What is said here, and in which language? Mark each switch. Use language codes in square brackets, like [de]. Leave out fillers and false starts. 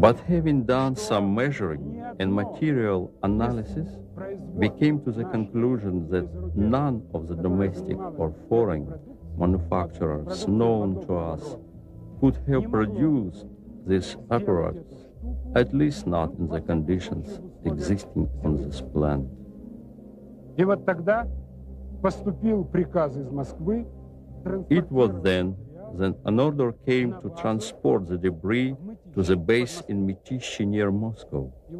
[en] But having done some measuring and material analysis, we came to the conclusion that none of the domestic or foreign manufacturers known to us could have produced this apparatus, at least not in the conditions existing on this planet. [ru] И вот тогда поступил приказ из Москвы [en] It was then that an order came to transport the debris to the base in Mytishchi near Moscow.